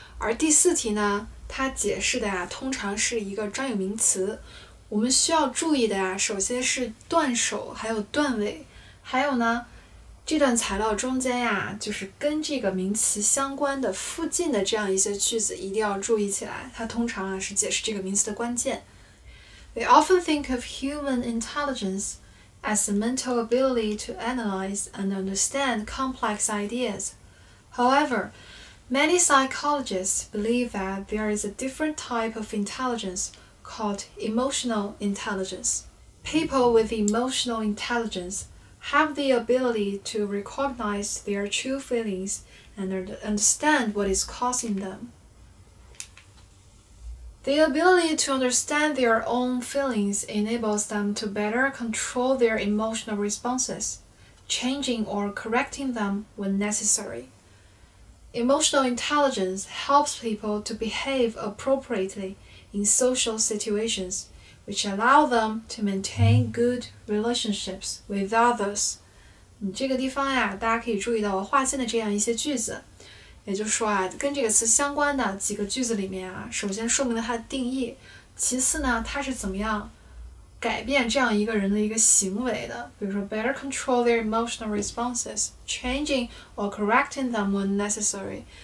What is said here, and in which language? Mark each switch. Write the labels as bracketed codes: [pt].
[zh] 而第四题呢，它解释的呀，通常是一个专有名词。我们需要注意的呀，首先是段首，还有段尾，还有呢，这段材料中间呀，就是跟这个名词相关的附近的这样一些句子，一定要注意起来。它通常啊，是解释这个名词的关键。 [en] We often think of human intelligence as the mental ability to analyze and understand complex ideas. However, many psychologists believe that there is a different type of intelligence called emotional intelligence. People with emotional intelligence have the ability to recognize their true feelings and understand what is causing them. The ability to understand their own feelings enables them to better control their emotional responses, changing or correcting them when necessary. Emotional intelligence helps people to behave appropriately in social situations, which allow them to maintain good relationships with others. [zh] 这个地方呀，大家可以注意到我划线的这样一些句子。也就是说啊，跟这个词相关的几个句子里面啊，首先说明了它的定义，其次呢，它是怎么样改变这样一个人的一个行为的。比如说 [en] ，better control their emotional responses, changing or correcting them when necessary。